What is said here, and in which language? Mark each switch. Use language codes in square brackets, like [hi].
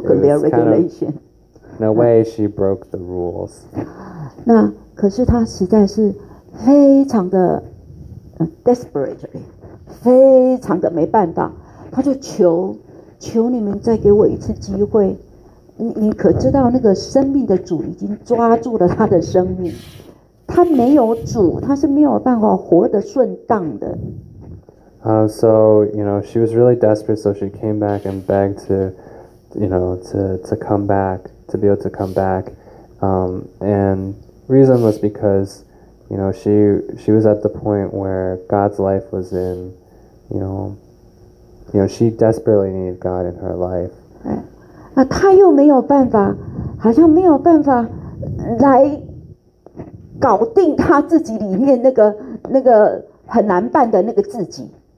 [en] broke their regulation. In a way, she broke the rules. [zh] 那可是她实在是非常的desperate, 非常的没办法，她就求你们再给我一次机会，你可知道那个生命的主已经抓住了他的生命，他没有主，他是没有办法活得顺当的。 [en] So you know, she was really desperate, so she came back and begged to, you know, to come back, to be able to come back. And reason was because, you know, she was at the point where God's life was in, you know. You know, she desperately needed God in her life. [zh] 那她又没有办法，好像没有办法来搞定她自己里面那个很难办的那个自己。